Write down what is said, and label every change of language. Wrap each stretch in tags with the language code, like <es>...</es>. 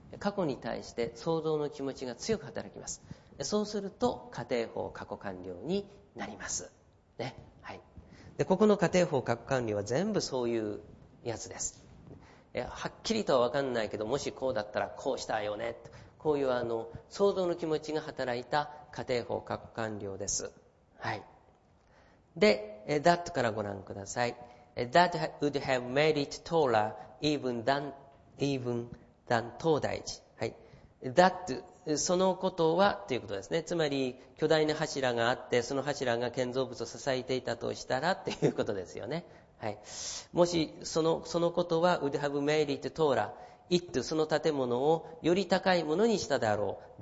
<ja>過去に対して想像の気持ちが強く働きます。そうすると仮定法過去完了になります、ね。はい。でここの仮定法過去完了は全部そういうやつです。はっきりとはわかんないけど、もしこうだったらこうしたよねと、こういう想像の気持ちが働いた仮定法過去完了です。はい。で that からご覧ください。</ja> <en>that would have made it taller even than 東大寺。</en> <ja>はい。that、 そのことはということですね。つまり巨大な柱があって、その柱が建造物を支えていたとしたらということですよね。はい。もしそのことは</ja> <en>would have made it tallerIt、</en> <ja>その建物をより高いものにしたであろう。</ja>